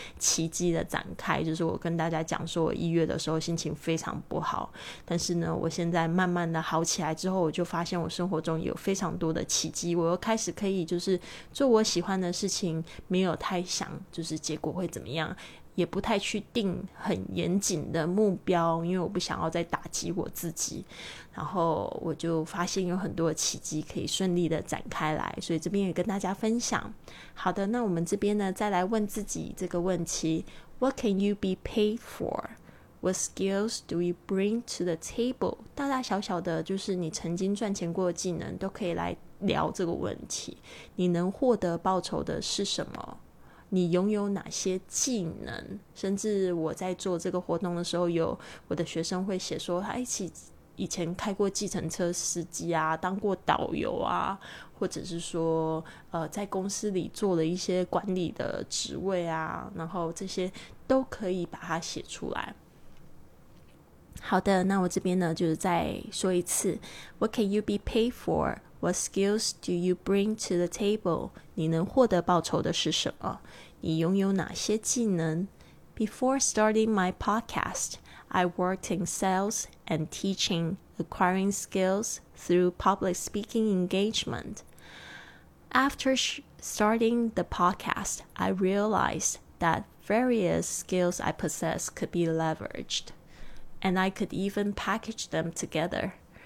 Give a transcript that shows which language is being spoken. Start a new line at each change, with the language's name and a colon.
Chinese: 奇迹的展开，就是我跟大家讲说我一月的时候心情非常不好，但是呢我现在慢慢的好起来之后，我就发现我生活中有非常多的奇迹，我又开始可以就是做我喜欢的事情，没有太想就是结果会怎么样，也不太去定很严谨的目标，因为我不想要再打击我自己。然后我就发现有很多奇迹可以顺利的展开来，所以这边也跟大家分享。好的，那我们这边呢再来问自己这个问题，
English: What can you be paid for? What skills do you bring to the table?
Chinese: 大大小小的就是你曾经赚钱过的技能都可以来聊这个问题，你能获得报酬的是什么，你拥有哪些技能。甚至我在做这个活动的时候，有我的学生会写说他以前开过计程车司机啊，当过导游啊，或者是说在公司里做了一些管理的职位啊，然后这些都可以把它写出来。好的，那我这边呢就是再说一次，
English: What can you be paid for? What skills do you bring to the table?
Chinese: 你能获得报酬的是什么？你拥有哪些技能？
English: Before starting my podcast, I worked in sales and teaching, acquiring skills through public speaking engagement. After starting the podcast, I realized that various skills I possess could be leveraged, and I could even package them together.